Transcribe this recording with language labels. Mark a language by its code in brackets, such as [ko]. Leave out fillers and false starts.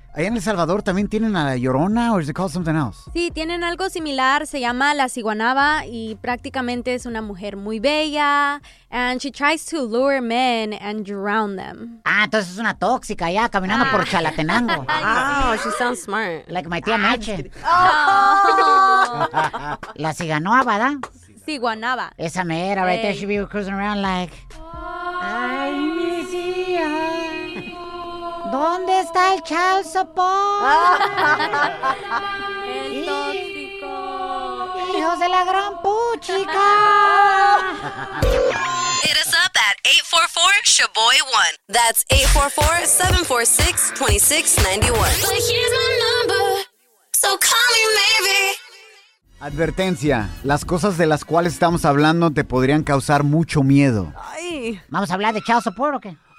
[es] ¿Allá en El Salvador también tienen a la Llorona [en] or is it called something else? [es] Sí, tienen algo similar. Se llama La Ciguanaba y prácticamente es una mujer muy bella. [en] And she tries to lure men and drown them. [es] Ah, entonces es una tóxica ya caminando por Chalatenango. [en] Oh, she sounds smart. Like my tía Meche. [es] La Ciguanaba, ¿verdad? Ciguanaba. Esa mera, [en] right there. She'd be cruising around like... [es] Ay, mi tía. ¿Dónde está el child support? El tóxico. Hijos de la gran puchica. [en] Hit us up at 844-SHABOY1. That's 844-746-2691. But here's my number, so call me maybe. [es] Advertencia, las cosas de las cuales estamos hablando te podrían causar mucho miedo. Ay. ¿Vamos a hablar de child support o qué?